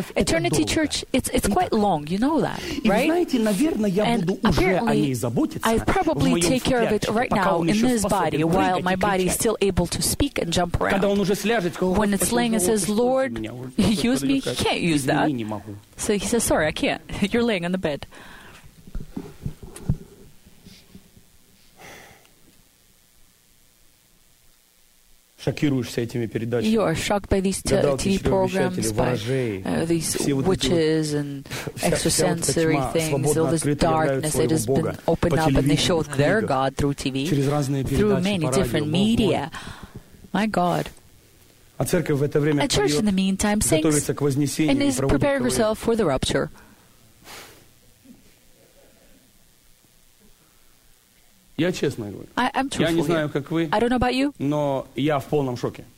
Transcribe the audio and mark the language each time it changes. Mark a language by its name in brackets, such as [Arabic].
[English] Eternity church, it's quite long, you know that, right? [Russian] И знаете, наверное, я буду уже о ней заботиться. [English] I probably take care of it right now in this body while my body is still able to speak and jump around. [Russian] Когда он уже сляжет, [English] when it's laying, it says, Lord, use me. He can't use that. So he says, sorry, I can't. You're laying on the bed. [Russian] Шокируешься этими передачами. [English] You are shocked by these TV programs, these witches and [Russian] extrасенсорные [English] things, all this darkness that has been opened up, and they show their God through TV, through many different media. My God. [Russian] А церковь в это время поет, готовится к вознесению и проводит творение. Я честно говорю. Я не знаю, как вы. [English] I don't know about you. [Russian] Но я в полном шоке.